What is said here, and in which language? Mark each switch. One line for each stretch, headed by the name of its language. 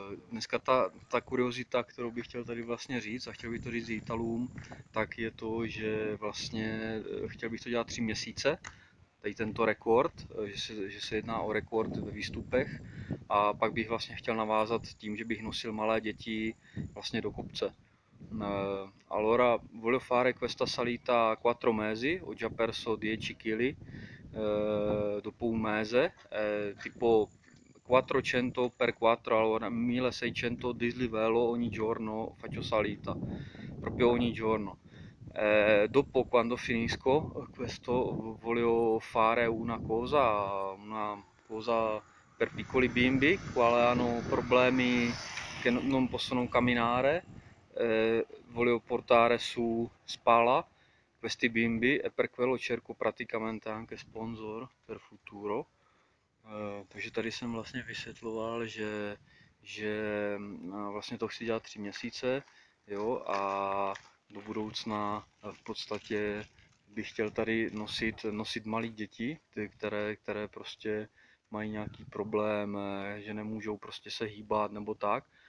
Czech: Dneska ta kuriozita, kterou bych chtěl tady vlastně říct, a chtěl bych to říct Italům, tak je to, že vlastně chtěl bych to dělat 3 měsíce, tady tento rekord, že se jedná o rekord ve výstupech, a pak bych vlastně chtěl navázat tím, že bych nosil malé děti vlastně do kopce.
Italian: Allora, voglio fare questa salita 4 mesi, ho già perso 10 kg dopo un mese, tipo 400 per 4, allora 1600 dislivello ogni giorno faccio salita, proprio ogni giorno. Dopo, quando finisco questo, voglio fare una cosa per piccoli bimbi, quali hanno problemi che non possono camminare. Volevo portare su Spala questi bimbi e per quello cerco praticamente anche sponsor per futuro.
Czech: Takže tady jsem vlastně vysvětloval, že vlastně to chci dělat 3 měsíce, jo, a do budoucna v podstatě bych chtěl tady nosit malé děti, které prostě mají nějaký problém, že nemůžou prostě se hýbat nebo tak.